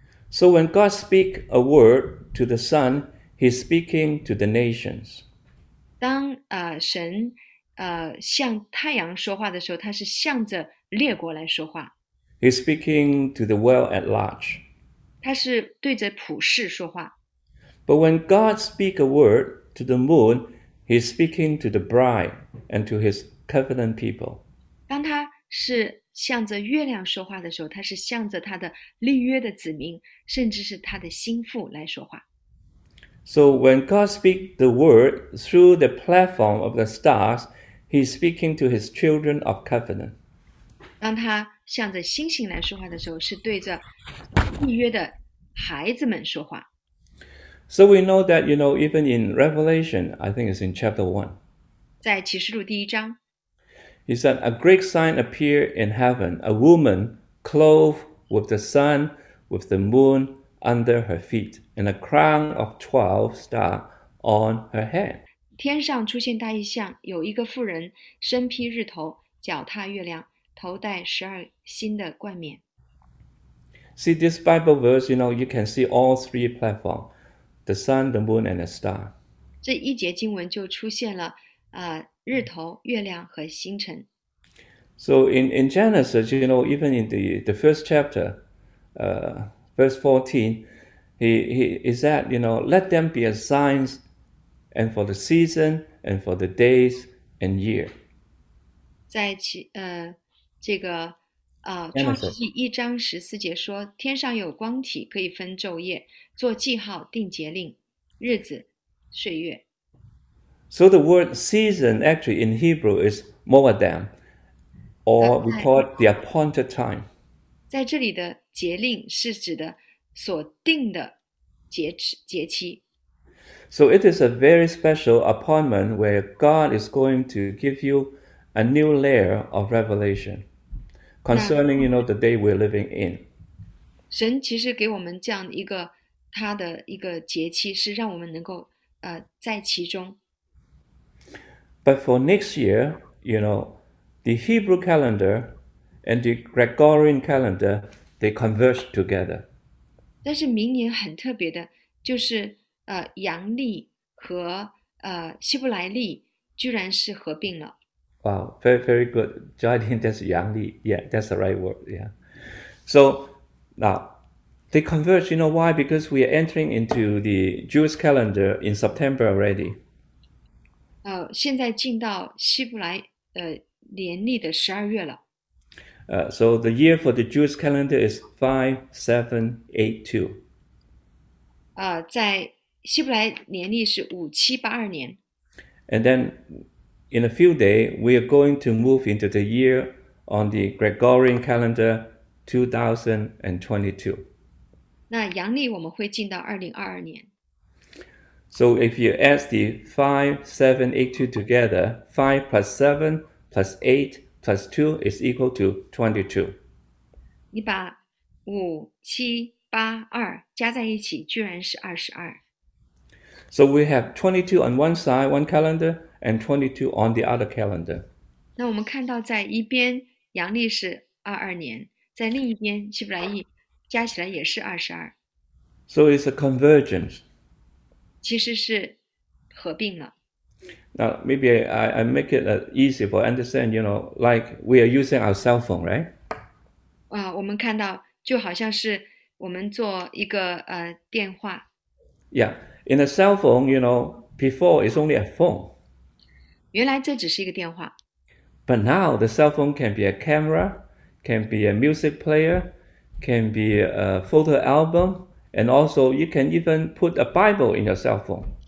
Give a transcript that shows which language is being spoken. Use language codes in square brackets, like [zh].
[en] So when God speaks a word to the Son, He's speaking to the nations. [zh] 当神向太阳说话的时候，他是向着列国来说话。 [en] He's speaking to the world at large. [zh] 他是对着普世说话。 [en] But when God speaks a word to the moon, He's speaking to the bride and to His covenant people. [zh] 当他是向着月亮说话的时候，他是向着他的立约的子民，甚至是他的心腹来说话。 [en] So when God speaks the word through the platform of the stars, He's speaking to His children of covenant. [zh] 当他向着星星来说话的时候，是对着立约的孩子们说话。 [en] So we know that, even in Revelation, I think it's in chapter 1, [zh] 在启示录第一章。 [en] he said, a great sign appeared in heaven, a woman clothed with the sun, with the moon under her feet, and a crown of 12 stars on her head. [zh] 天上出现大异象，有一个妇人身披日头，脚踏月亮，头戴12星的冠冕。 [en] See this Bible verse, you can see all three platforms. The sun, the moon, and the star. [zh] 这一节经文就出现了，日头、月亮和星辰。 [en] So in Genesis, even in the first chapter, verse 14, he said, let them be as signs and for the season and for the days and year. [zh] 在其这个创世 [en] Genesis. [zh] 纪1:14说，天上有光体，可以分昼夜，做记号，定节令、日子、岁月。 [en] So the word season actually in Hebrew is moadam, or we call it the appointed time. [zh] 在这里的节令是指的所定的节期。 [en] So it is a very special appointment where God is going to give you a new layer of revelation concerning, the day we're living in. [zh] 神其实给我们这样一个他的一个节期，是让我们能够在其中。 [en] But for next year, the Hebrew calendar and the Gregorian calendar, they converge together. [zh] 但是明年很特别的，就是阳历和希伯来历居然是合并了。 [en] Wow, very, very good. I think that's Yangli. Yeah, that's the right word. Yeah. So now they converge. You know why? Because we are entering into the Jewish calendar in September already. [zh] 现在进到希伯来年历的12月了。 [en] So the year for the Jewish calendar is 5782. [zh] 在希伯来年历是5782年。 [en] And then in a few days, we are going to move into the year on the Gregorian calendar 2022. [zh] 那阳历我们会进到2022年。 [en] So if you add the 5782 together, 5 plus 7 plus 8 plus 2 is equal to 22. [zh] 你把5782加在一起，居然是22。 [en] So we have 22 on one side, one calendar, and 22 on the other calendar. [zh] 那我们看到，在一边阳历是22年，在另一边希伯来译加起来也是22。 [en] So it's a convergence. [zh] 其实是合并了。 [en] Now, maybe I make it easy for understand, like we are using our cell phone, right? [zh] 我们看到就好像是我们做一个电话。 [en] Yeah, in a cell phone, before it's only a phone. [zh] 原来这只是一个电话。 [en] But now the cell phone can be a camera, can be a music player, can be a photo album, and also you can even put a Bible in your cell phone.